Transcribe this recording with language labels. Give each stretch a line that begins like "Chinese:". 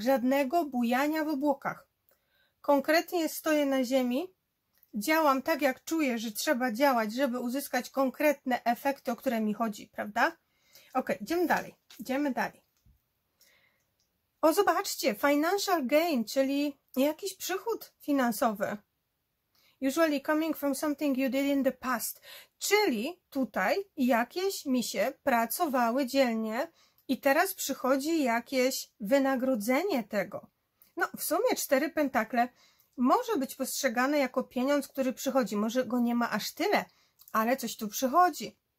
Polish: Żadnego bujania w obłokach. Konkretnie stoję na ziemi, działam tak, jak czuję, że trzeba działać, żeby uzyskać konkretne efekty, o które mi chodzi, prawda? Ok, idziemy dalej. O, zobaczcie,
English: financial gain,
Polish: czyli jakiś przychód finansowy.
English: Usually coming from something you did in the past.
Polish: Czyli tutaj jakieś misie pracowały dzielnie i teraz przychodzi jakieś wynagrodzenie tego. No, w sumie cztery pentakle może być postrzegane jako pieniądz, który przychodzi. Może go nie ma aż tyle, ale coś tu przychodzi.